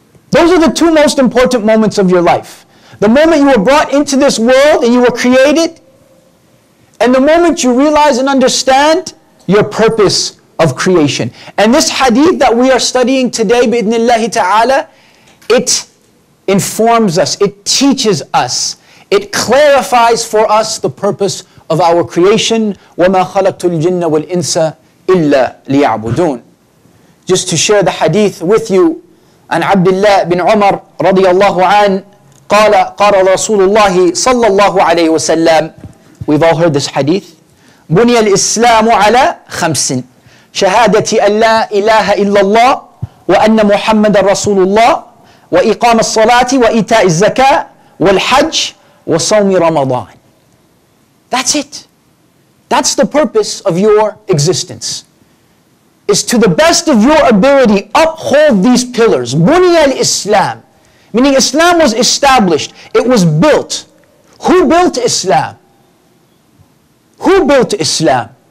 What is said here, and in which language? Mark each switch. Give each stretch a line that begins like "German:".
English: Those are the two most important moments of your life. The moment you were brought into this world and you were created, and the moment you realize and understand your purpose of creation. And this hadith that we are studying today, bi-idhnillahi ta'ala, it informs us, it teaches us, it clarifies for us the purpose of our creation.
Arabic: وَمَا خَلَقْتُ الْجِنَّ وَالْإِنسَ إِلَّا لِيَعْبُدُونَ.
English: Just to share the hadith with you,
Arabic: عن عبد الله بن عمر رضي الله عنه قال قال رسول الله صلى الله عليه وسلم.
English: We've all heard this hadith.
Arabic: بني الإسلام على خمس. شهادة أن لا إله إلا الله وأن محمد رسول الله وإقام الصلاة وإيتاء الزكاة والحج وصوم رمضان.
English: That's it. That's the purpose of your existence. Is to the best of your ability uphold these pillars.
Arabic: بني الإسلام.
English: Meaning Islam was established. It was built. Who built Islam? Who built Islam?